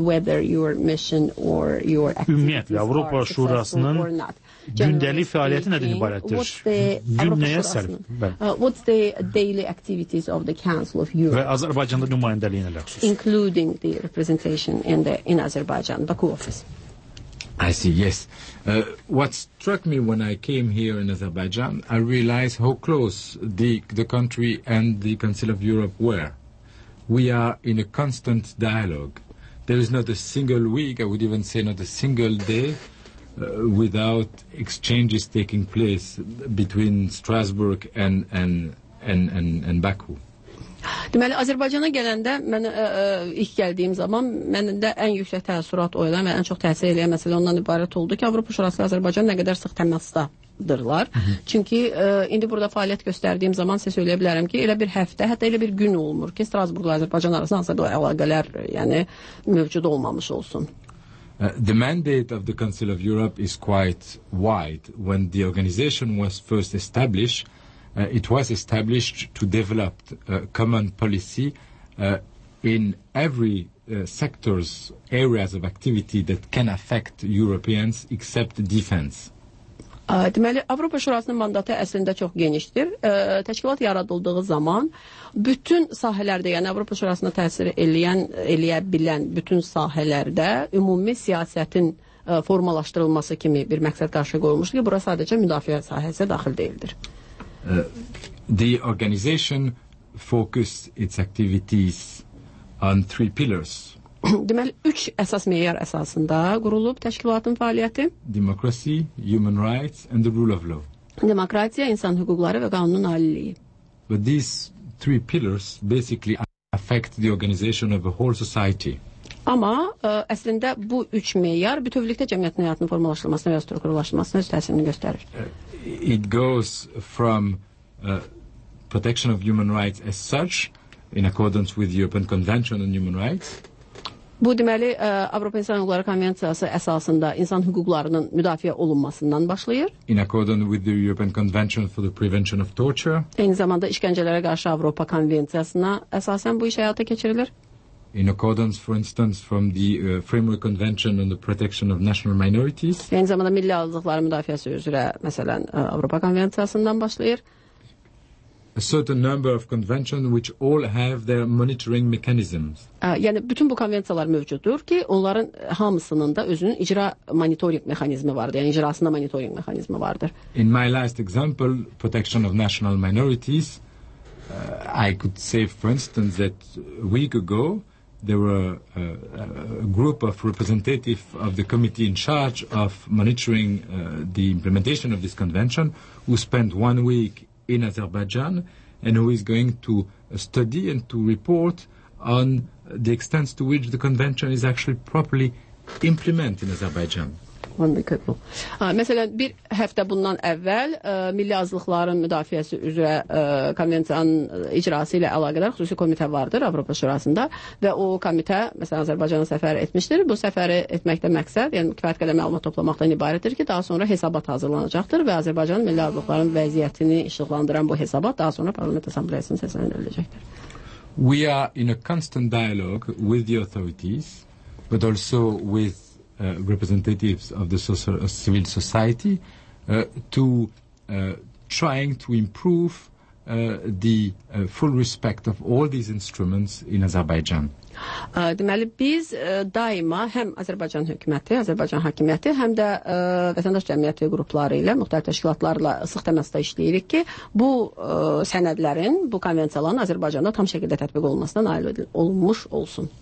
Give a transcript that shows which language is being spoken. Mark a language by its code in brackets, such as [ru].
[az] Ümumiyyətlə, Avropa Şurasının gündəlik fəaliyyəti nədən ibarətdir? Gün nəyə sərf? [en] What's the daily activities of the Council of Europe? [az] Və Azərbaycanda nümayəndəliyinə ləxsus. [en] Including the representation in Azerbaijan, Baku office. I see, yes. What struck me when I came here in Azerbaijan, I realized how close the country and the Council of Europe were. We are in a constant dialogue. There is not a single week, I would even say not a single day, without exchanges taking place between Strasbourg and Baku. [az] Deməli, Azərbaycana gələndə mən ilk gəldiyim zaman məndə ən yüksək təəssürat oyulan və ən çox təsir eləyən məsələ ondan ibarət oldu ki, Avropa Şurası ilə Azərbaycan nə qədər sıx təmasda dırlar. Çünki indi burada fəaliyyət göstərdiyim zaman sizə söyləyə bilərəm ki, elə bir həftə, hətta elə bir gün olmur ki, Strasburgla Azərbaycan arasında hansı bir əlaqələr, yəni mövcud olmamış olsun. [en] The mandate of the Council of Europe is quite wide. When the organization was first established, it was established to develop common policy in every sectors, areas of activity that can affect Europeans except defense. [az] Deməli, Avropa Şurasının mandatı əslində çox genişdir. Təşkilat yaradıldığı zaman bütün sahələrdə, yəni Avropa Şurasına təsir eləyə bilən bütün sahələrdə ümumi siyasətin formalaşdırılması kimi bir məqsəd qarşı qoyulmuşdur ki, bura sadəcə müdafiə sahəsi daxil deyildir. [en] The organization focused its activities on three pillars. [az] Deməli, üç əsas meyar əsasında qurulub təşkilatın fəaliyyəti. [en] Democracy, human rights and the rule of law. [az] Demokratiya, insan hüquqları və qanunun aliliyi. [en] But these three pillars basically affect the organization of a whole society. [az] Amma əslində bu üç meyar bütövlükdə cəmiyyətin həyatının formalaşdırılmasına və strukturlaşdırılmasına öz təsirini göstərir. [en] It goes from protection of human rights as such, in accordance with the European Convention on Human Rights. [az] Bu deməli Avropa İnsan Hüquqları Konvensiyası əsasında insan hüquqlarının müdafiə olunmasından başlayır. [en] In accordance with the European Convention for the Prevention of Torture. [az] Eyni zamanda işkəncələrə qarşı Avropa Konvensiyasına əsasən bu iş həyata keçirilir. [en] In accordance, for instance, from the Framework Convention on the Protection of National Minorities. [az] Eyni zamanda milli azlıqların müdafiəsi üzrə, məsələn, Avropa Konvensiyasından başlayır. [en] A certain number of conventions which all have their monitoring mechanisms. [az] Yəni, bütün bu konvensiyalar mövcuddur ki, onların hamısının da özünün icra monitoring mexanizmi vardır, yəni icrasında monitoring mexanizmi vardır. [en] In my last example, protection of national minorities, I could say, for instance, that a week ago, there were a group of representatives of the committee in charge of monitoring the implementation of this convention who spent 1 week in Azerbaijan and who is going to study and to report on the extent to which the convention is actually properly implemented in Azerbaijan. [az] Məsələn, bir həftə bundan əvvəl milli azlıqların müdafiəsi üzrə konvensiyanın icrası ilə əlaqədar xüsusi komitə vardır Avropa Şurasında və o komitə, məsələn, Azərbaycana səfər etmişdir. Bu səfəri etməkdə məqsəd, yəni kifayət qədər məlumat toplamaqdan ibarətdir ki, daha sonra hesabat hazırlanacaqdır və Azərbaycanın milli azlıqların vəziyyətini işıqlandıran bu hesabat daha sonra Parlament Assambleyasının səsləndiriləcəkdir. [en] We are in a constant dialogue with the authorities, but also with representatives of the civil society to trying to improve the full respect of all these instruments in Azerbaijan. [az] Deməli, biz daima həm Azərbaycan hökuməti, Azərbaycan hakimiyyəti, həm də vətəndaş cəmiyyəti qrupları ilə, müxtəlif təşkilatlarla sıx təməsdə işləyirik ki, bu sənədlərin, bu konvensiyaların Azərbaycanda tam şəkildə tətbiq olunmasına nail olunmuş olsun.